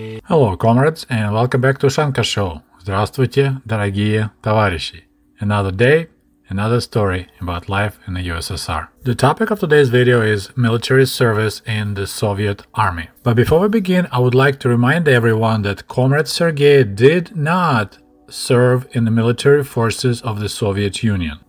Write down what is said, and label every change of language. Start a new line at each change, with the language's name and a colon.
English: Hello, comrades, and welcome back to Ushanka Show.
Russian: Здравствуйте, дорогие товарищи.
English: Another day, another story about life in the USSR. The topic of today's video is military service in the Soviet Army. But before we begin, I would like to remind everyone that Comrade Sergei did not serve in the military forces of the Soviet Union.